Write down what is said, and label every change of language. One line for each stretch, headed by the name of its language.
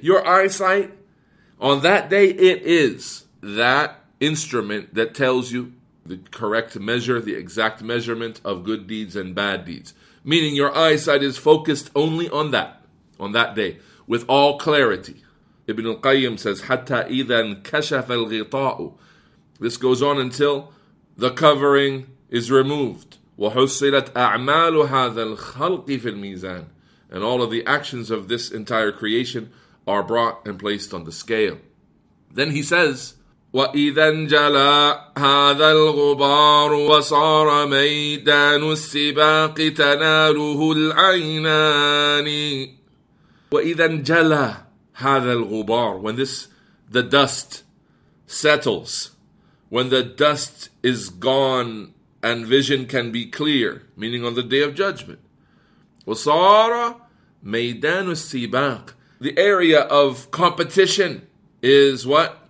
English: Your eyesight on that day, it is that instrument that tells you the correct measure, the exact measurement of good deeds and bad deeds. Meaning your eyesight is focused only on that day, with all clarity. Ibn al-Qayyim says,
Arabic: حَتَّى إِذَاً كَشَفَ الْغِطَاءُ.
English: This goes on until the covering is removed.
Arabic: وَحُصِّلَتْ أَعْمَالُ هَذَا الْخَلْقِ فِي الْمِيزَانِ.
English: And all of the actions of this entire creation are brought and placed on the scale. Then he says,
Arabic: وَإِذَا انْجَلَى هَذَا الْغُبَارُ وَصَارَ مَيْدَانُ السِّبَاقِ تَنَالُهُ الْعَيْنَانِ. وَإِذَا انْجَلَى هَذَا الْغُبَارُ.
English: When this, the dust settles, when the dust is gone and vision can be clear, meaning on the Day of Judgment.
Arabic: وَصَارَ مَيْدَانُ السِّبَاقِ.
English: The area of competition is what?